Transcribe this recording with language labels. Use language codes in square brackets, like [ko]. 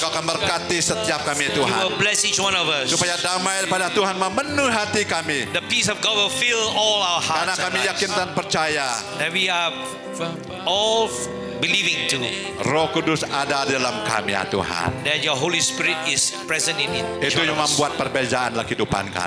[id] Engkau akan berkati setiap kami Tuhan. [en] You will bless each one of us. [id] Supaya damai pada Tuhan memenuhi hati kami. [en] The peace of God will fill all our hearts. [id] Karena kami yakin dan percaya. [en] That we are all believing to. [id] Roh Kudus ada dalam kami ya Tuhan. [en] That your Holy Spirit is present in it. [id] Itu yang membuat perbedaan dalam kehidupan kami.